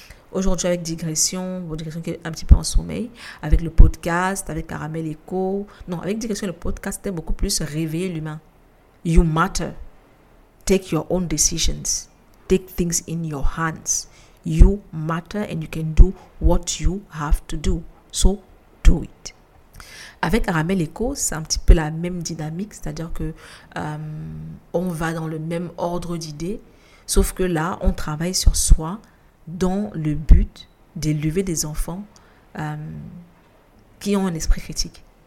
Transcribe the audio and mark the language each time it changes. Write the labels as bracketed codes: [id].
[fr] Aujourd'hui, avec Digression, bon, Digression qui est un petit peu en sommeil, avec le podcast, avec Caramel Éco. Non, avec Digression, le podcast est beaucoup plus réveiller l'humain. [en] You matter. Take your own decisions. Take things in your hands. You matter and you can do what you have to do. So, do it. [fr] Avec Caramel Éco, c'est un petit peu la même dynamique, c'est-à-dire que on va dans le même ordre d'idées, sauf que là, on travaille sur soi, dans le but d'élever des enfants qui ont un esprit critique.